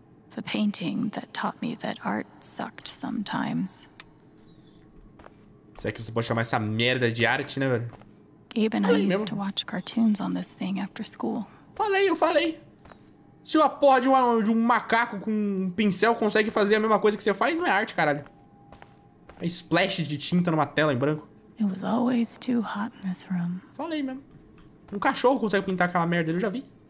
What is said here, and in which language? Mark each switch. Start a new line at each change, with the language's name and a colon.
English: The painting that taught me that art sucked sometimes.
Portuguese: Será que você pode chamar essa merda de arte, né, velho?
English: Gabe and I used to watch cartoons on this thing after school.
Portuguese: Falei, eu falei. Se uma porra de um macaco com um pincel consegue fazer a mesma coisa que você faz, não é arte, caralho. É splash de tinta numa tela em branco.
English: It was always too hot in this room.
Portuguese: Falei mesmo. Um cachorro consegue pintar aquela merda, eu já vi.